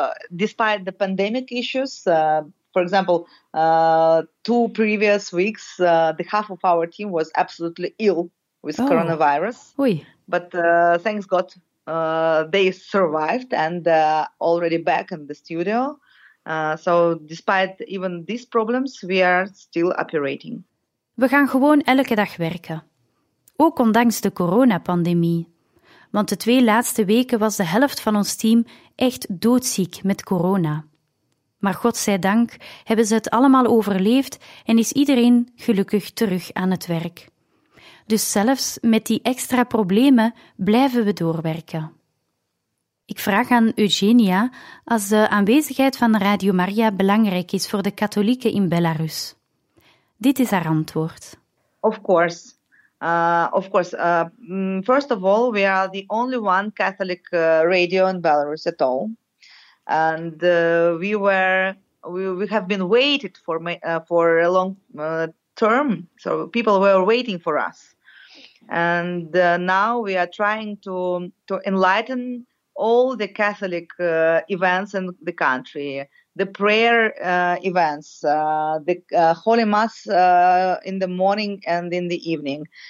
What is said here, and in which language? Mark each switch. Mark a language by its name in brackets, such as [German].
[English] despite the pandemic issues, for example, two previous weeks, the half of our team was absolutely ill with coronavirus. [French] Oui. [English] But thanks God, they survived and already back in the studio. So despite even these problems, we are still operating. [Dutch] We gaan gewoon elke dag werken. Ook ondanks de coronapandemie. Want de twee laatste weken was de helft van ons team echt doodziek met corona. Maar godzijdank hebben ze het allemaal overleefd en is iedereen gelukkig terug aan het werk. Dus zelfs met die extra problemen blijven we doorwerken. Ik vraag aan Eugenia als de aanwezigheid van Radio Maria belangrijk is voor de katholieken in Belarus. Dit is haar antwoord. [English] Of course. First of all, we are the only one Catholic radio in Belarus at all, and we have been waited for a long term. So people were waiting for us, and now we are trying to enlighten all the Catholic events in the country, the prayer events, the Holy Mass in the morning and in the evening.